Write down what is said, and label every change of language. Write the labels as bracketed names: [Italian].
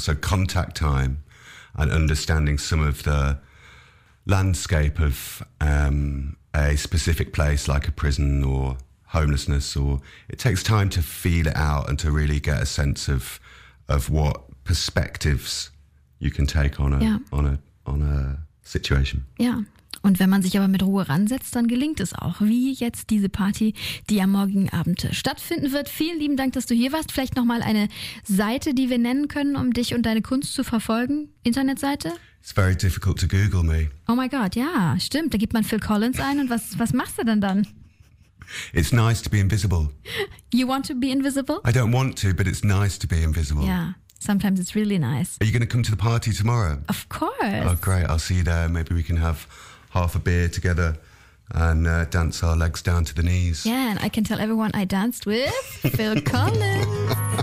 [English] So contact time and understanding some of the landscape of... a specific place like a prison or homelessness, or it takes time to feel it out and to really get a sense of what perspectives you can take on a, yeah, on a situation. Yeah. [German] Und wenn man sich aber mit Ruhe ransetzt, dann gelingt es auch, wie jetzt diese Party, die am morgigen Abend stattfinden wird. Vielen lieben Dank, dass du hier warst. Vielleicht nochmal eine Seite, die wir nennen können, um dich und deine Kunst zu verfolgen. Internetseite? [English] It's very difficult to Google me. Oh my God, [German] ja, stimmt. Da gibt man Phil Collins ein und was machst du denn dann? [English] It's nice to be invisible. You want to be invisible? I don't want to, but it's nice to be invisible. Yeah. Sometimes it's really nice. Are you going to come to the party tomorrow? Of course. Oh, great. I'll see you there. Maybe we can have half a beer together and dance our legs down to the knees. Yeah, and I can tell everyone I danced with Phil Collins.